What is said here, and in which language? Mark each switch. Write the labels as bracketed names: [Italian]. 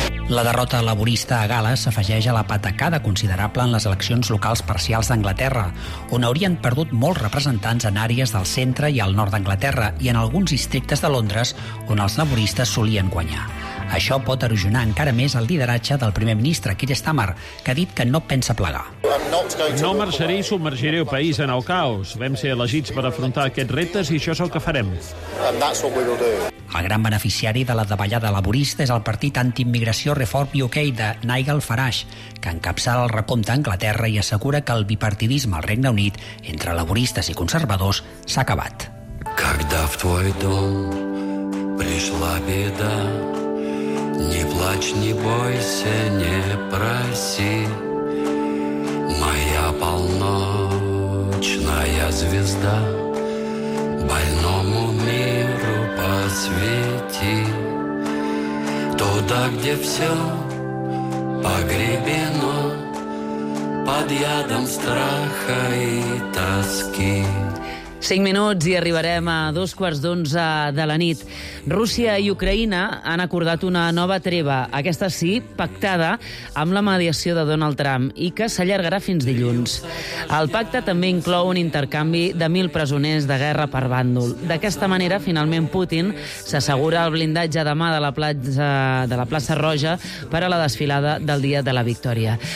[Catalan] La derrota laborista a Gal·les s'afegeix a la patacada considerable en les eleccions locals parcials d'Anglaterra, on haurien perdut molts representants en àrees del centre i al nord d'Anglaterra i en alguns districtes de Londres, on els laboristes solien guanyar. Això pot erosionar encara més el lideratge del primer ministre, Keir Starmer, que ha dit que no pensa plegar. No marxaré i submergiré el país en el caos. Vam ser elegits per afrontar aquests reptes i això és el que farem. El gran beneficiari de la davallada laborista és el partit anti-immigració Reform UK de Nigel Farage, que encapçala el recompte a Anglaterra i assegura que el bipartidisme al Regne Unit entre laboristes i conservadors s'ha acabat. [Russian] Когда в твой дом пришла беда, не плачь, не бойся, не проси. Моя полночная звезда больному миру посвети. Туда, где все погребено под ядом страха и тоски. [Catalan] 5 minuts i arribarem a 11:15 de la nit. Rússia i Ucraïna han acordat una nova treva, aquesta sí, pactada amb la mediació de Donald Trump i que s'allargarà fins dilluns. El pacte també inclou un intercanvi de 1.000 presoners de guerra per bàndol. D'aquesta manera, finalment, Putin s'assegura el blindatge demà de la platja, de la plaça Roja per a la desfilada del Dia de la Victòria.